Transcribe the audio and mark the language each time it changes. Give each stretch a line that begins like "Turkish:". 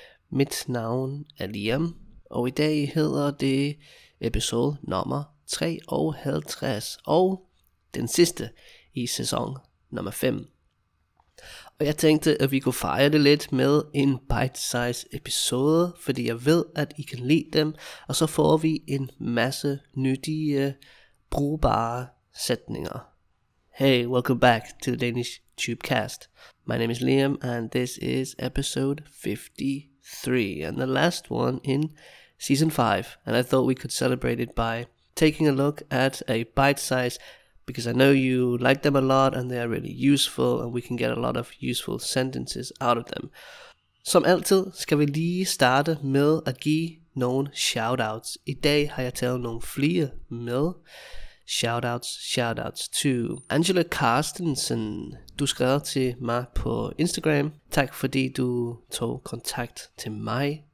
Danish: Mit navn er Liam, og i dag hedder det episode nummer 53, og den sidste i sæson nummer 5. Og jeg tænkte, at vi kunne fejre det lidt med en bite-size episode, fordi jeg ved, at I kan lide dem, og så får vi en masse nyttige, brugbare sætninger.
English: Hey, welcome back to the Danish Tubecast. My name is Liam, and this is episode 53, and the last one in season 5. And I thought we could celebrate it by taking a look at a bite-size, because I know you like them a lot, and they are really useful, and we can get a lot of useful sentences out of them.
Danish: Som altid skal vi lige starte med at give nogle shoutouts. I dag har jeg talt nogle flere med.
English: Shoutouts to Angela Carstensen.
Danish: Du skrev til mig på Instagram. Tak fordi du tog kontakt til mig.